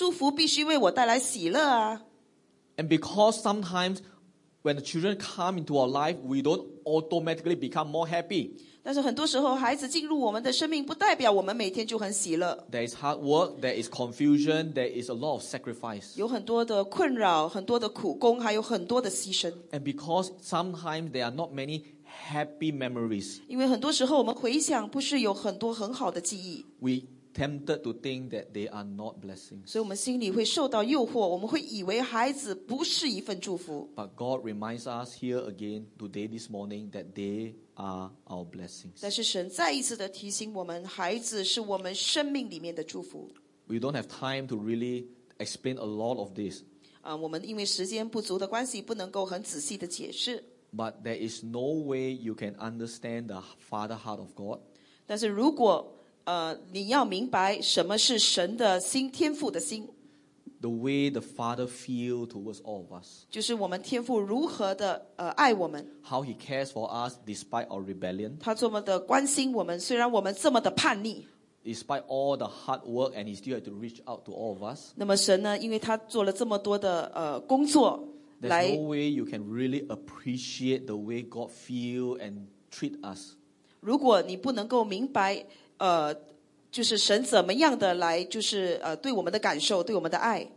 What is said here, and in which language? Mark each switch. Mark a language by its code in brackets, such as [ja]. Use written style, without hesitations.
[zh] 因为很多时候呢,我们以为祝福嘛,祝福必须为我带来喜乐啊。 [en] And because sometimes when the children come into our life, we don't automatically become more happy. [zh] 但是很多时候孩子进入我们的生命不代表我们每天就很喜乐。 [en] There is hard work, there is confusion, there is a lot of sacrifice. [zh] 有很多的困扰,很多的苦功,还有很多的牺牲。 [en] And because sometimes there are not many happy memories. [zh] 因为很多时候我们回想不是有很多很好的记忆。 [en] We tempted to think that they are not blessings. [zh] 所以我们心里会受到诱惑, 我们会以为孩子不是一份祝福。 [en] But God reminds us here again today this morning that they are our blessings. [zh] 但是神再一次的提醒我们, 孩子是我们生命里面的祝福。 [en] We don't have time to really explain a lot of this. [zh] 我们因为时间不足的关系, 不能够很仔细的解释。 [en] But there is no way you can understand the Father heart of God. [zh] 但是如果 你要明白什么是神的心,天父的心。 [en] The way the Father feels towards all of us. [zh] 就是我们天父如何的, 爱我们。 [en] How he cares for us despite our rebellion. [zh] 他这么的关心我们, 虽然我们这么的叛逆。 [en] Despite all the hard work and he still had to reach out to all of us. [zh] 那么神呢, 因为他做了这么多的, 工作, [en] There's no way you can really appreciate the way God feels and treats us. [zh] 如果你不能够明白, 就是神怎么样的来,就是对我们的感受,对我们的爱。